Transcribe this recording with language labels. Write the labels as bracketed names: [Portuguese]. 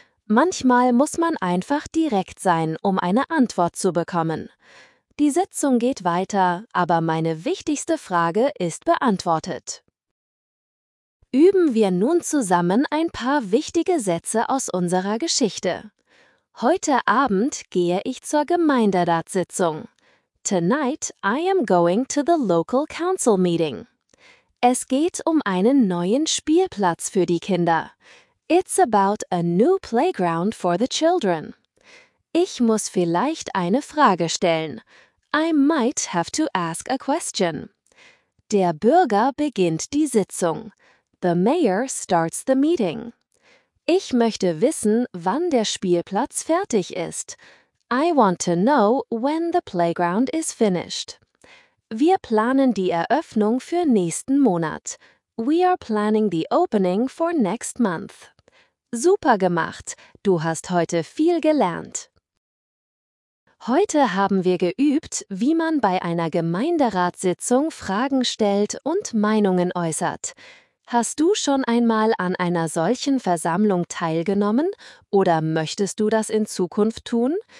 [German] Manchmal muss man einfach direkt sein, um eine Antwort zu bekommen. Die Sitzung geht weiter, aber meine wichtigste Frage ist beantwortet. Üben wir nun zusammen ein paar wichtige Sätze aus unserer Geschichte. Heute Abend gehe ich zur Gemeinderatssitzung. [English] Tonight I am going to the local council meeting. [German] Es geht um einen neuen Spielplatz für die Kinder. [English] It's about a new playground for the children. [German] Ich muss vielleicht eine Frage stellen. [English] I might have to ask a question. [German] Der Bürger beginnt die Sitzung. [English] The mayor starts the meeting. [German] Ich möchte wissen, wann der Spielplatz fertig ist. [English] I want to know when the playground is finished. [German] Wir planen die Eröffnung für nächsten Monat. [English] We are planning the opening for next month. [German] Super gemacht! Du hast heute viel gelernt. Heute haben wir geübt, wie man bei einer Gemeinderatssitzung Fragen stellt und Meinungen äußert. Hast du schon einmal an einer solchen Versammlung teilgenommen oder möchtest du das in Zukunft tun?